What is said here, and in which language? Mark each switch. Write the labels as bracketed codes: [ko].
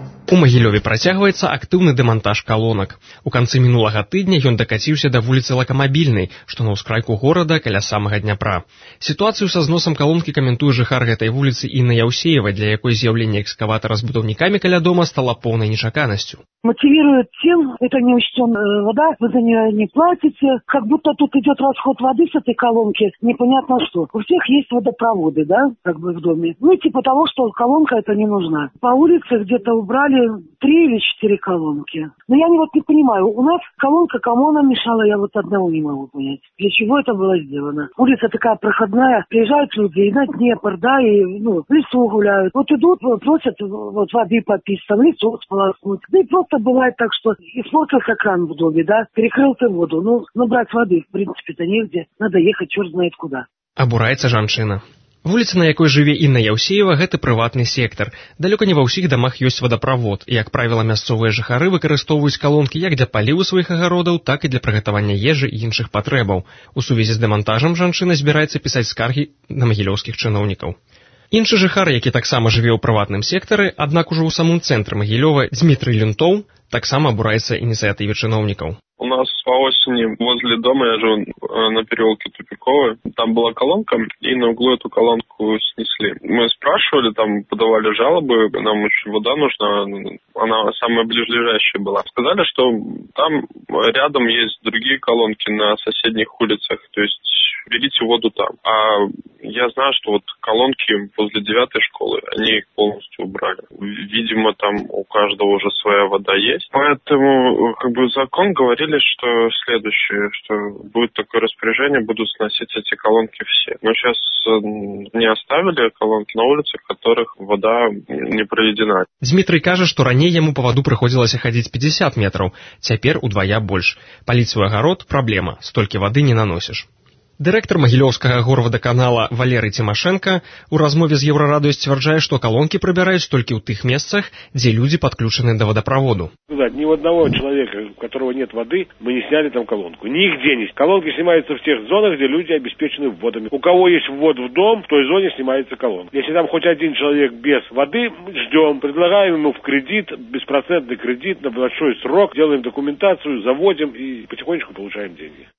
[be] У Магілёве працягваецца актыўны дэмантаж калонак. У канцы мінулага тыдня ён дакаціўся да вуліцы Лакамабільнай, што на ўскрайку горада каля самага Дняпра. Сітуацыю са зносам калонкі каментуе жыхар гэтай вуліцы Інна Яўсеева, для якой з'яўленне экскаватара з будаўнікамі каля дома стала поўнай нечаканасцю. [ru] Мотивирует тем, это не учтен вода, вы за нее не платите, как будто тут идет расход воды с этой колонки, непонятно что. У всех есть водопроводы, да, как бы в доме. Ну, типа того, что колонка эта не нужна. По улице где-то убрали 3 или 4 колонки. Но я вот не понимаю, у нас колонка, кому она мешала, я вот одного не могу понять. Для чего это было сделано? Улица такая проходная, приезжают люди, и на Днепр, да, и ну, в лесу гуляют. Вот идут, просят вот, воды попить, там лесу сполоснуть, да и просто бывает так, что испортился кран в доме, да, перекрыл ты воду. Ну, набрать воды, в принципе-то негде, надо ехать черт знает куда. [be] Абураецца жанчына. Вуліца, на якой жыве Інна Яўсеева, гэта прыватны сектар. Далёка не ва ўсіх дамах ёсць водаправод, і, як правіла, мясцовыя жыхары выкарыстоўваюць калонкі як для паліву сваіх агародаў, так і для прыгатавання ежы і іншых патрэбаў. У сувязі з дэмантажам жанчына збіраецца пісаць скаргі на магілёўскіх чыноўнікаў. Іншы жыхар, які таксама жыве ў прыватным сектары, аднак ужо ў самым цэнтры Магілёва, Дмітрый Лінтоў, таксама абураецца ініцыятыве чыноўнікаў. [ru] У нас по осени возле дома, я живу на переулке Тупиковой, там была колонка, и на углу эту колонку снесли. Мы спрашивали, там подавали жалобы, нам очень вода нужна, она самая ближайшая была. Сказали, что там рядом есть другие колонки на соседних улицах, то есть берите воду там. А я знаю, что вот колонки возле 9-й школы, они их полностью убрали. Видимо, там у каждого уже своя вода есть. Поэтому как бы закон говорит, что следующее, что будет такое распоряжение, будут сносить эти колонки все. Но сейчас не оставили колонки на улице, в которых вода не проведена. Дмитрий каже, что ранее ему по воду приходилось ходить 50 метров, теперь удвоя больше. Полить свой огород – проблема, столько воды не наносишь. [be] Дырэктар Магілёўскага горвадаканала Валерый Цімашэнка ў размове з Еўрарадыё сцвярджае, што калонкі прыбіраюць толькі ў тых месцах, дзе людзі падключаны да вадаправоду. Да, ні ў аднаго чалавека, [ru] у каторого нет [be] вады, мы не снялі там калонку. Нігдзе не. Калонкі снімаюцца ў тых зонах, дзе людзі абеспечаны водамі. У каго ёсць ввод у дом, [ru] в той зоне [be] снімаецца калонка. [ru] Если там [be] хоць адзін чалавек без вады, [ru] ждём, предлагаем ему в кредит, беспроцентны кредит на большой срок, делаем документацию, заводим и потихонечку получаем деньги.